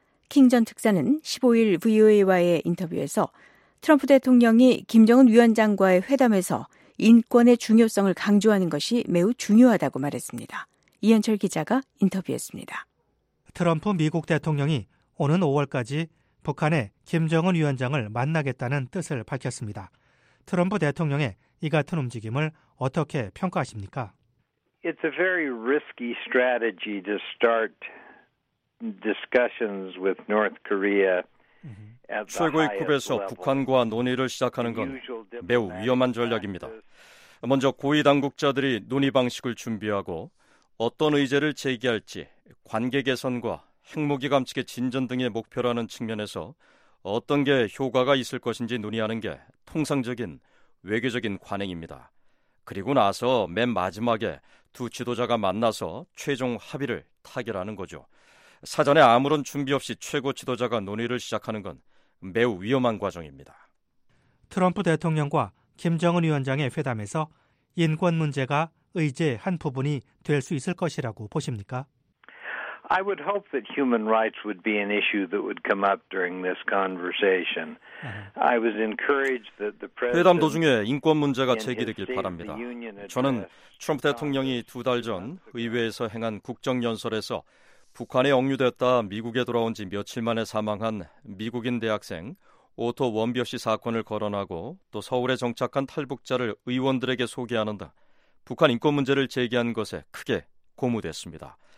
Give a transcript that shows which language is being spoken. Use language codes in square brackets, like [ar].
[ko] 킹 전 특사는 15일 VOA와의 인터뷰에서 트럼프 대통령이 김정은 위원장과의 회담에서 인권의 중요성을 강조하는 것이 매우 중요하다고 말했습니다. 이현철 기자가 인터뷰했습니다. 트럼프 미국 대통령이 오는 5월까지 북한의 김정은 위원장을 만나겠다는 뜻을 밝혔습니다. 트럼프 대통령의 이 같은 움직임을 어떻게 평가하십니까? [en] It's a very risky strategy to start discussions with North Korea. [ko] 최고위급에서 북한과 논의를 시작하는 건 매우 위험한 전략입니다. 먼저 고위 당국자들이 논의 방식을 준비하고 어떤 의제를 제기할지 관계 개선과 핵무기 감축의 진전 등의 목표라는 측면에서 어떤 게 효과가 있을 것인지 논의하는 게 통상적인 외교적인 관행입니다. 그리고 나서 맨 마지막에 두 지도자가 만나서 최종 합의를 타결하는 거죠. 사전에 아무런 준비 없이 최고 지도자가 논의를 시작하는 건 매우 위험한 과정입니다. 트럼프 대통령과 김정은 위원장의 회담에서 인권 문제가 의제의 한 부분이 될 수 있을 것이라고 보십니까? [en] I would hope that human rights would be an issue that would come up during this conversation. I was encouraged that the president [ko] 회담 도중에 인권 문제가 제기되길 바랍니다. 저는 트럼프 대통령이 두 달 전 의회에서 행한 국정 연설에서 북한에 억류됐다 미국에 돌아온 지 며칠 만에 사망한 미국인 대학생 오토 원벼 씨 사건을 거론하고 또 서울에 정착한 탈북자를 의원들에게 소개하는 등 북한 인권 문제를 제기한 것에 크게 고무됐습니다.